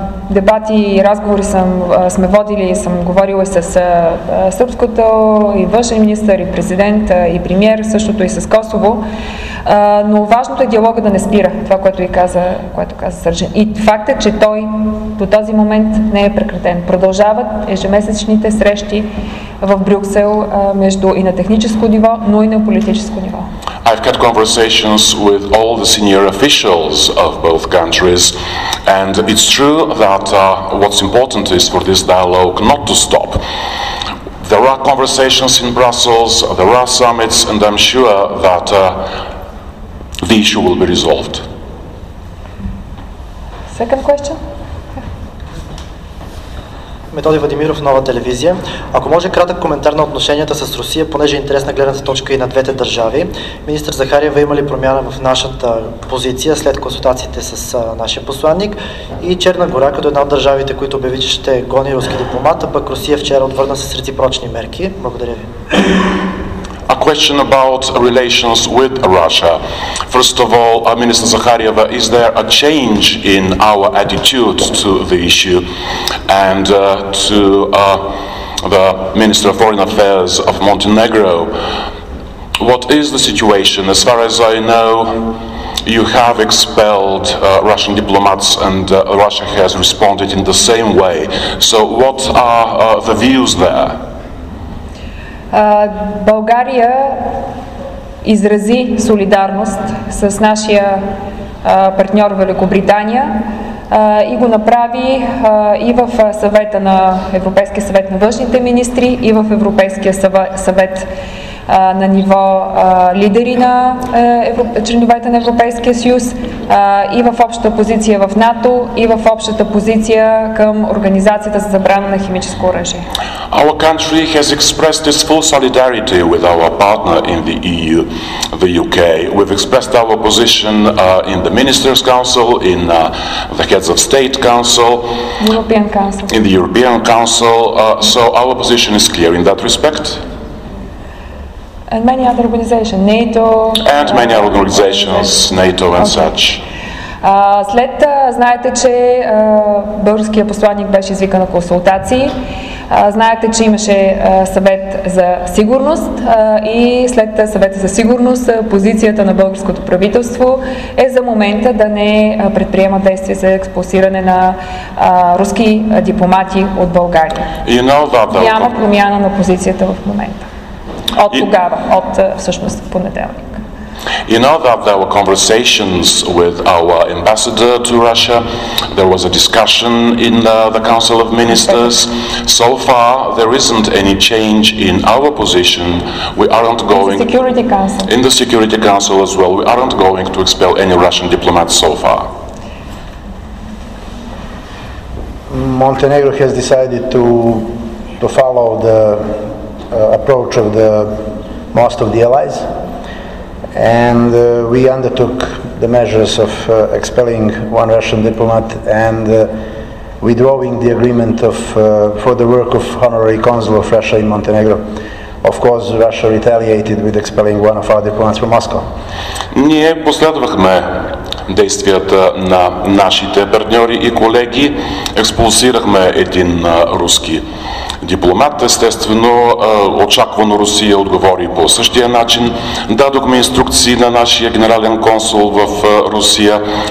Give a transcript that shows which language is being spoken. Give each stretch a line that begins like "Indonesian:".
Bulgarian: дебати и разговори сме водили, съм говорила с сръбското и външен министър, и президент, и премиер, същото и с Косово. Но важното е диалога да не спира, това, което и каза, което каза Сържен. И фактът, че той до този момент не е прекратен. Продължават ежемесечните срещи в Брюксел между и на техническо ниво, но и на политическо ниво.
English: I've had conversations with all the senior officials of both countries, and it's true that what's important is for this dialogue not to stop. There are conversations in Brussels, there are summits, and I'm sure that the issue will be resolved. Second question.
Bulgarian: Методи Владимиров, Нова телевизия. Ако може кратък коментар на отношенията с Русия, понеже е интересна гледната точка и на двете държави. Министър Захариева, има ли промяна в нашата позиция след консултациите с нашия посланник? И Черна гора, като една от държавите, които обяви, че ще гони руски дипломат, а пък Русия вчера отвърна с реципрочни мерки. Благодаря ви.
English: A question about relations with Russia. First of all, Minister Zakharieva, is there a change in our attitude to the issue? And to the Minister of Foreign Affairs of Montenegro, what is the situation? As far as I know, you have expelled Russian diplomats and Russia has responded in the same way. So what are the views there?
Bulgarian: България изрази солидарност с нашия партньор Великобритания и го направи и в съвета на Европейския съвет на външните министри, и в Европейския съвет на ниво лидери на членовете на Европейския съюз, и в общата позиция в НАТО, и в общата позиция към Организацията за забрана на химическо оръжие.
English: Our country has expressed its full solidarity with our partner in the EU, the UK. We've expressed our position in the Ministers' Council, in the Heads of State Council, European Council. In the European Council. So our position is clear in that respect. And many other organizations, NATO. And many other organizations, NATO and okay. such.
Bulgarian: След, знаете, че българският посланник беше извикан на консултации. Знаете, че имаше съвет за сигурност и след съвета за сигурност позицията на българското правителство е за момента да не предприема действия за експулсиране на руски дипломати от България.
English: You know that, though,
Bulgarian: няма промяна на позицията в момента. От тогава, от всъщност понеделник.
English: You know that there were conversations with our ambassador to Russia. There was a discussion in the Council of Ministers. So far, there isn't any change in our position. We aren't going in the Security Council. In the Security Council as well. We aren't going to expel any Russian diplomats so far. Montenegro has decided to follow the approach of the most of the allies. And we undertook the measures of expelling one Russian diplomat and withdrawing the agreement of for the work of Honorary Consul of Russia in Montenegro. Of course, Russia retaliated with expelling one of our diplomats from Moscow.
Bulgarian: Ние последвахме действията на нашите партньори и колеги. Експулсирахме един руски дипломат. Естествено, очаквано Русия отговори по същия начин. Дадохме инструкции на нашия генерален консул в Русия.